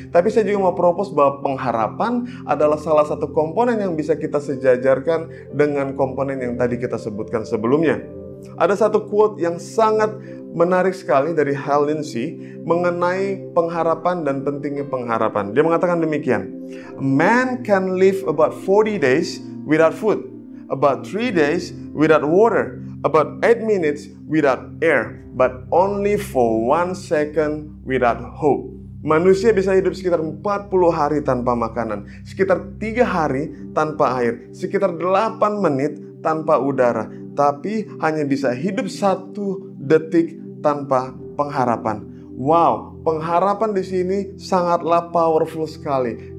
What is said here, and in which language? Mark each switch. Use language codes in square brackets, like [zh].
[id] Tapi saya juga mau propose bahwa pengharapan adalah salah satu komponen yang bisa kita sejajarkan dengan komponen yang tadi kita sebutkan sebelumnya. Ada satu quote yang sangat menarik sekali dari Hal Lindsey mengenai pengharapan dan pentingnya pengharapan. Dia mengatakan demikian, [en] "A man can live about 40 days without food, about 3 days without water, about 8 minutes without air, but only for 1 second without hope." [id] Manusia bisa hidup sekitar 40 hari tanpa makanan, sekitar 3 hari tanpa air, sekitar 8 menit tanpa udara, tapi hanya bisa hidup 1 detik tanpa pengharapan. Wow, pengharapan di sini sangatlah powerful sekali.